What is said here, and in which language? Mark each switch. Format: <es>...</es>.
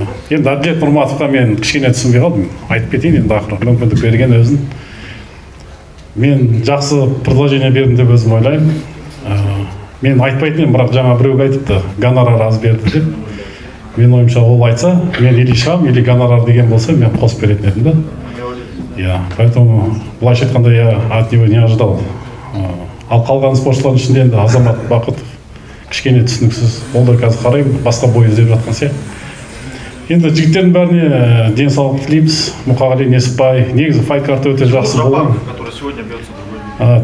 <kk>Енді Әділет Нұрматовқа мен кішкене түсінбей қалдым. Айтып кетейін енді ақыры, мүмкіндік берген өзін. Мен жақсы предложение бердім деп өзім ойлаймын. Мен айтпайтын едім, бірақ жаңа біреуге айтыпты, гонорар аз берді деп. Мен ойымша ол айтса, мен или шығам, или гонорар деген болса, мен қосып беретін едім да.</kk> <ru>Поэтому</ru> <kk>былайша айтқанда</kk> <ru>я от него не ожидал.</ru> <kk>Ал қалған спортшылардың ішінде енді Азамат Бақытов кішкене түсініксіз, ол да қазір қараймын, басқа бой іздеп жатқан сияқты. Енді жігіттердің бәріне денсаулық тілейміз. Мұқағали Несіпбай, негізі файт карта өте жақсы болған.</kk>